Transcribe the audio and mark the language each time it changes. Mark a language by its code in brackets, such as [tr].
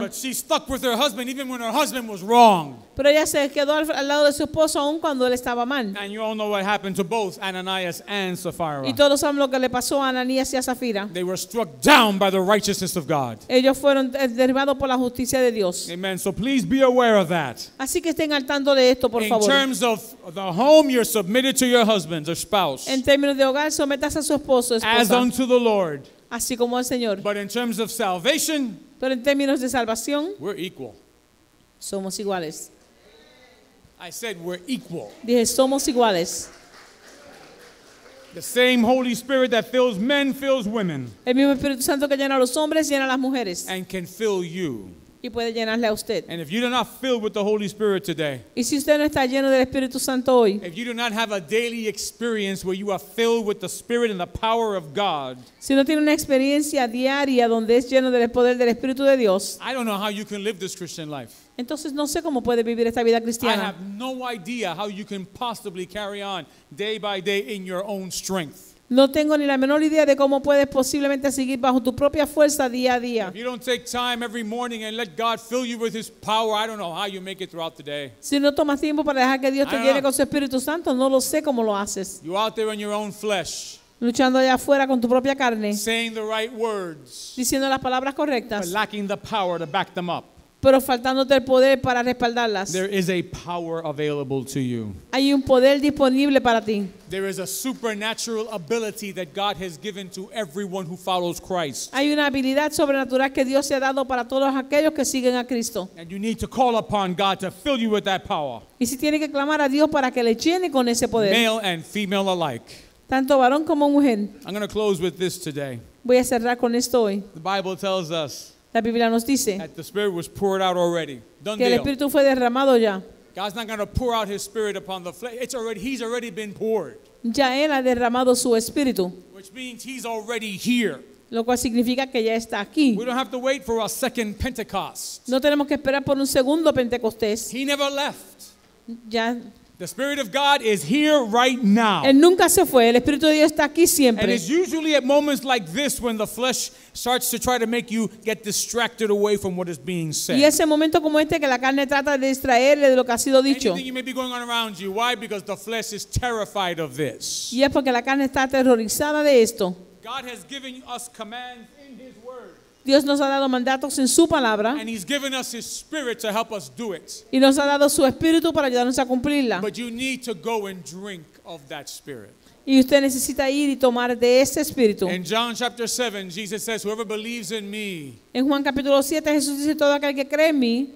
[en] But she stuck with her husband even when her husband was wrong. [es] Pero ella se quedó al lado de su esposo aun cuando él estaba mal. [en] And you all know what happened to both Ananias and Sapphira. [es] Y todos saben lo que le pasó a Ananías y a Zafira. [en] They were struck down by the righteousness of God. [es] Ellos fueron derribados por la justicia de Dios. [en] Amen. So please be aware of that. [es] Así que estén al tanto de esto, por favor. [en] In terms of the home, you're submitted to your husband or spouse. [es] En términos de hogar, sométase a su esposo, esposa. [en] As unto the Lord. [es] Así como al Señor. [en] But in terms of salvation, [es] pero en términos de salvación, [en] we're equal. [es] Somos iguales. [en] I said we're equal. [es] Dije, somos iguales. [en] The same Holy Spirit that fills men fills women. [es] El mismo Espíritu Santo que llena a los hombres llena a las mujeres. [en] And can fill you. [es] Y puede llenarle a usted. [en] And if you do not fill with the Holy Spirit today, [es] y si usted no está lleno del Espíritu Santo hoy, [en] if you do not have a daily experience where you are filled with the Spirit and the power of God, [es] si no tiene una experiencia diaria donde es lleno del poder del Espíritu de Dios, [en] I don't know how you can live this Christian life. [es] Entonces no sé cómo puede vivir esta vida cristiana. [en] I have no idea how you can possibly carry on day by day in your own strength. [es] No tengo ni la menor idea de cómo puedes posiblemente seguir bajo tu propia fuerza día a día. [en] If you don't take time every morning and let God fill you with His power, I don't know how you make it throughout the day. [es] Si no tomas tiempo para dejar que Dios te llene con su Espíritu Santo, no lo sé cómo lo haces. [en] You're out there in your own flesh. [es] Luchando allá afuera con tu propia carne. [en] Saying the right words. [es] Diciendo las palabras correctas. [en] But lacking the power to back them up. [es] Pero faltándote el poder para respaldarlas. [en] There is a power available to you. [es] Hay un poder disponible para ti. [en] There is a supernatural ability that God has given to everyone who follows Christ. [es] Hay una habilidad sobrenatural que Dios se ha dado para todos aquellos que siguen a Cristo. [en] And you need to call upon God to fill you with that power. [es] Y si tiene que clamar a Dios para que le llene con ese poder. [en] Male and female alike. [es] Tanto varón como mujer. [en] I'm going to close with this today. [es] Voy a cerrar con esto hoy. [en] The Bible tells us. [es] La Biblia nos dice [en] that the Spirit was poured out already. Done [es] que el Espíritu fue derramado ya. [en] God's not going to pour out His Spirit upon the flesh. It's already, He's already been poured. [es] Ya Él ha derramado su Espíritu. [en] Which means He's already here. [es] Lo cual significa que ya está aquí. [en] We don't have to wait for a second Pentecost. [es] No tenemos que esperar por un segundo Pentecostés. [en] He never left. [es] Ya. [en] The Spirit of God is here right now. [es] Él nunca se fue. El Espíritu de Dios está aquí siempre. [en] And it's usually at moments like this when the flesh starts to try to make you get distracted away from what is being said. [es] Y ese momento como este que la carne trata de distraerle de lo que ha sido dicho. [en] Anything you may be going on around you. Why? Because the flesh is terrified of this. [es] Y es porque la carne está aterrorizada de esto. [en] God has given us commands in His Word. [es] Dios nos ha dado mandatos en su palabra. [en] And He's given us His Spirit to help us do it. [es] Y nos ha dado su Espíritu para ayudarnos a cumplirla. [en] But you need to go and drink of that Spirit. [es] Y usted necesita ir y tomar de ese Espíritu. [en] In John chapter 7, Jesus says, whoever believes in me, [es] en Juan capítulo 7, Jesús dice, todo aquel que cree en mí,